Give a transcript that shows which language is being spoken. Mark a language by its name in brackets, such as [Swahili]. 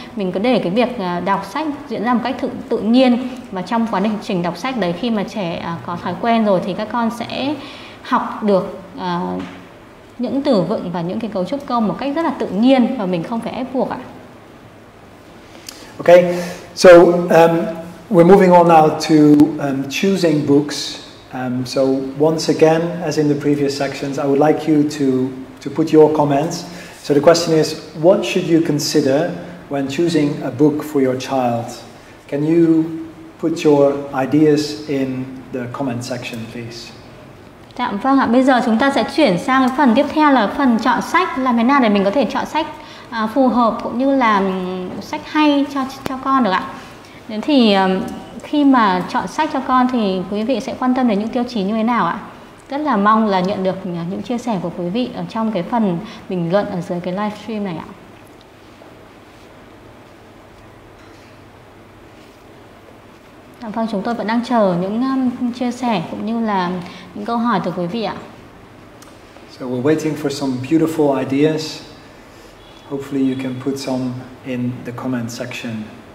[Vietnamese] Mình cứ để cái việc đọc sách diễn ra một cách tự nhiên, và trong quá trình đọc sách đấy, khi mà trẻ có thói quen rồi thì các con sẽ học được những từ vựng và những cái cấu trúc câu một cách rất là tự nhiên, và mình không phải ép buộc ạ. [English] Okay, so we're moving on now to choosing books. So once again, as in the previous sections, I would like you to put your comments. So the question is, what should you consider when choosing a book for your child? Can you put your ideas in the comment section, please? [Vietnamese] Dạ vâng ạ, bây giờ chúng ta sẽ chuyển sang cái phần tiếp theo là phần chọn sách, làm thế nào để mình có thể chọn sách phù hợp cũng như là sách hay cho con được ạ. Thế thì khi mà chọn sách cho con thì quý vị sẽ quan tâm đến những tiêu chí như thế nào ạ? Rất là mong là nhận được những chia sẻ của quý vị ở trong cái phần bình luận ở dưới cái live stream này ạ. Dạ vâng, chúng tôi vẫn đang chờ những chia sẻ cũng như là những câu hỏi từ quý vị ạ. [English] So we're waiting for some beautiful ideas. Hopefully you can put some in the comment section.